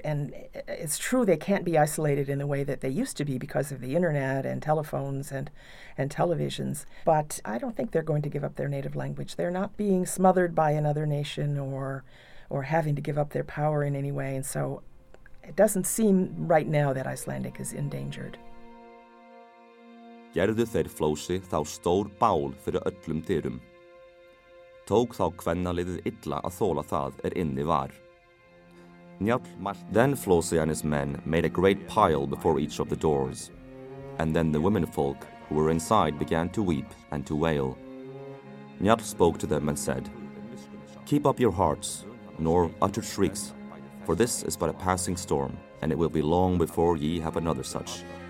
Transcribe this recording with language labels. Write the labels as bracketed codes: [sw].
[en] And it's true they can't be isolated in the way that they used to be because of the internet and telephones and televisions. But I don't think they're going to give up their native language. They're not being smothered by another nation or having to give up their power in any way. And so it doesn't seem right now that Icelandic is endangered. [is] Gerðu þeir Flósi þá stór bál fyrir öllum dyrum. Tók þá kvennaliðið illa að þola það er inni var. [en] Then Flósi and his men made a great pile before each of the doors. And then the womenfolk who were inside began to weep and to wail. Njall spoke to them and said, "Keep up your hearts, nor utter shrieks, for this is but a passing storm, and it will be long before ye have another such.